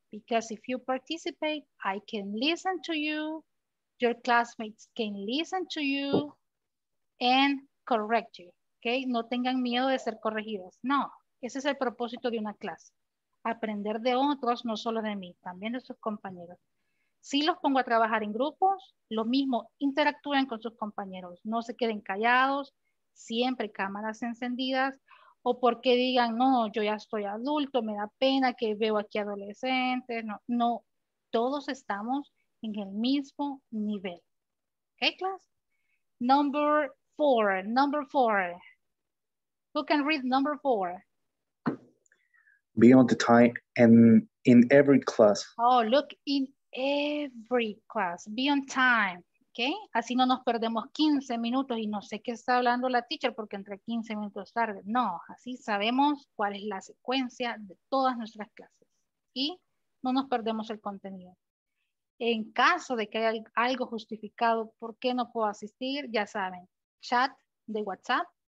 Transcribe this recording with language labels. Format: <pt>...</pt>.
<en>Because if you participate, I can listen to you, your classmates can listen to you, and correct you, okay?</en> <es>No tengan miedo de ser corregidos. No, ese es el propósito de una clase. Aprender de otros, no solo de mí, también de sus compañeros. Si los pongo a trabajar en grupos, lo mismo, interactúen con sus compañeros. No se queden callados, siempre cámaras encendidas. O porque digan, no, yo ya estoy adulto, me da pena que veo aquí adolescentes. No, no, todos estamos en el mismo nivel.</es> <en>¿Ok, class? Number four, number four. Who can read number four? Be on the time and in every class. Oh, look, in every class, be on time. ¿Okay?</en> <es>Así no nos perdemos 15 minutos y no sé qué está hablando la teacher porque entre 15 minutos tarde. No, así sabemos cuál es la secuencia de todas nuestras clases. y no nos perdemos el contenido. En caso de que haya algo justificado por qué no puedo asistir, ya saben, chat de WhatsApp.</es>